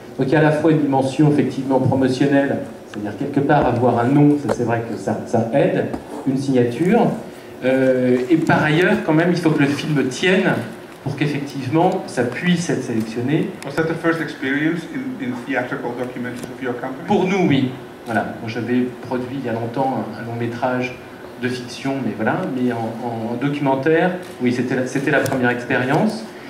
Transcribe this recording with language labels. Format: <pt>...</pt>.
<fr>Donc il y a à la fois une dimension effectivement promotionnelle, c'est-à-dire quelque part avoir un nom, ça, c'est vrai que ça aide, une signature. Et par ailleurs, quand même, il faut que le film tienne pour qu'effectivement ça puisse être sélectionné.</fr> <en>Was that the first experience in theatrical documentaries of your company?</en> <fr>Pour nous, oui. Voilà. Moi, j'avais produit il y a longtemps un long métrage de fiction, mais voilà, mais en documentaire, oui, c'était la première expérience.</fr>